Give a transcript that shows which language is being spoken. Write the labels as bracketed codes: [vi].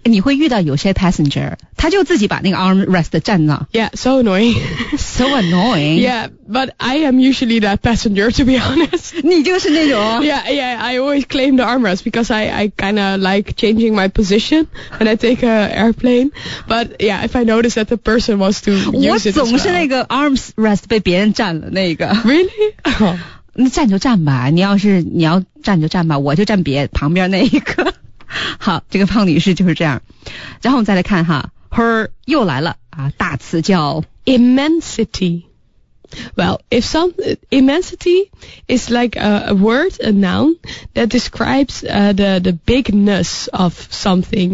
[zh] 你会遇到有些 passenger, 他就自己把那个 armrest 占了。 [en] Yeah, so annoying. So annoying. Yeah, but I am usually that passenger, to be honest. [zh] 你就是那种。 [en] Yeah, I always claim the armrest because I kind of like changing my position when I take an airplane. But yeah, if I notice that the person wants to use it as well. [zh] 我总是那个 armrest 被别人占了那个。 [en] Really? Oh. [zh] 那站就站吧，你要站就站吧，我就站别旁边那一个。好，这个胖女士就是这样。然后我们再来看哈 ，her 又来了啊，大词叫 [en] immensity。 Well, if some immensity is like a word, a noun that describes the bigness of something.